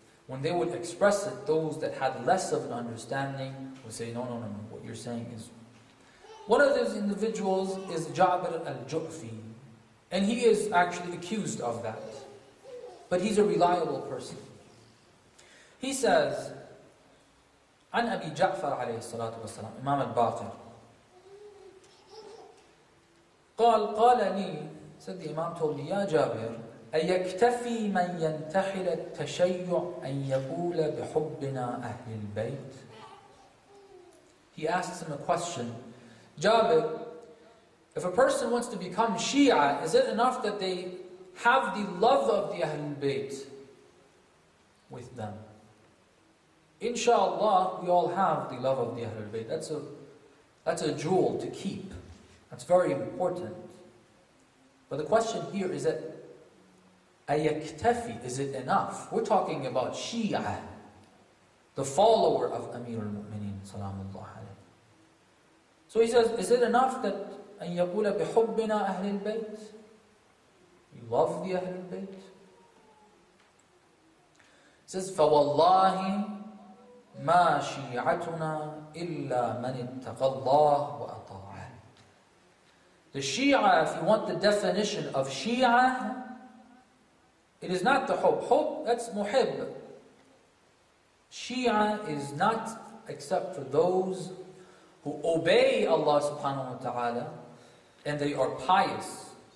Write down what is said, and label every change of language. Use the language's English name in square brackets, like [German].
[English] when they would express it, those that had less of an understanding would say, no, no, no, no, what you're saying is... One of those individuals is Ja'bir al-Ju'fi, and he is actually accused of that. But he's a reliable person. He says, [Arabic] عن أبي جعفر عليه الصلاة والسلام, Imam al-Baqir, قال, قال لي, [English] said the Imam told me, [Arabic] يا جابر, أَيَكْتَفِي مَنْ يَنْتَحِلَ التَّشَيُّعْ أَنْ يَقُولَ بِحُبِّنَا أَهْلِ الْبَيْتِ. [English] He asks him a question, Jabir, if a person wants to become Shia, is it enough that they have the love of the Ahlul Bayt with them? Inshallah, we all have the love of the Ahlul Bayt. That's a jewel to keep. That's very important. But the question here is that ayaktafi, is it enough? We're talking about Shia, the follower of Amir al-Mu'mineen, salamullah alayhi. So he says, is it enough that [Arabic] أَنْ يَقُولَ بِحُبِّنَا أَهْلِ الْبَيْتِ? [English] You love the Ahlul Bayt? He says, [Arabic] فَوَاللَّهِ مَا شِيعَتُنَا إِلَّا مَنِ اتَّقَى اللَّهُ وَأَطَاعَهُ. [English] The Shia, if you want the definition of Shia, it is not the hub. Hub, that's muhib. Shia is not except for those who obey Allah subhanahu wa ta'ala, and they are pious.